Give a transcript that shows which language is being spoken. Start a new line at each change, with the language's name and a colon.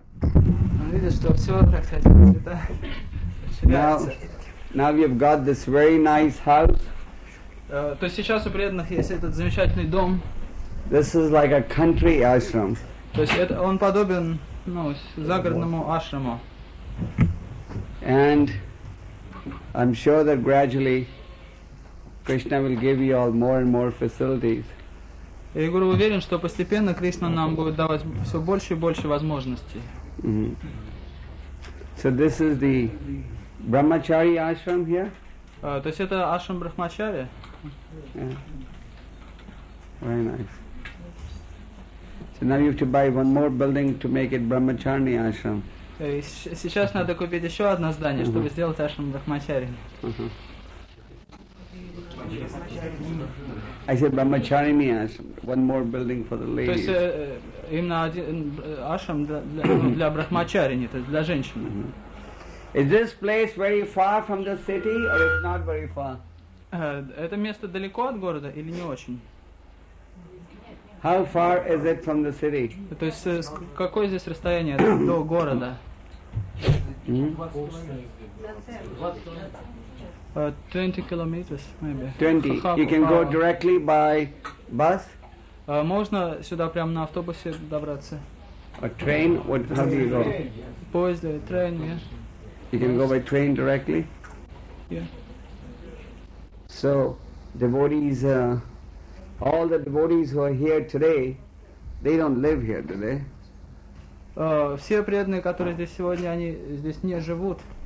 Russian: видно, что все отражается в цветах.
English: Now we've got this very nice house.
Russian: То есть сейчас у преданных есть этот замечательный дом.
English: This is like a country ashram.
Russian: То есть это он подобен, ну, загородному ашраму.
English: And I'm sure that gradually Krishna will give you all more and more facilities.
Russian: И Гуру уверен, что постепенно Кришна нам будет давать все больше и больше возможностей.
English: Mm-hmm. So this is the Brahmachari ashram here?
Russian: То есть это ашрам Брахмачари?
English: Yeah. Very nice. So now you have to buy one more building to make it Brahmachari ashram.
Russian: Сейчас надо купить еще одно здание, чтобы сделать ашрам Брахмачари.
English: I said Brahmachari ashram, one more building for the ladies.
Russian: То есть именно один ашрам для брахмачарини, то есть для женщин.
English: Is this place very far from the city, or it's not very far?
Russian: Это место далеко от города или не очень?
English: How far is it from the city?
Russian: То есть какое здесь расстояние до города?
English: 20 kilometers, maybe. 20. You can go directly by bus.
Russian: Можно сюда прямо на автобусе добраться.
English: A train? What? How do you go?
Russian: Поезд,
English: train, yeah. You can go by train directly. Yeah. So, devotees, all the devotees who are here today, they don't live here, do they?
Russian: Все преданные, которые здесь сегодня, они здесь не живут.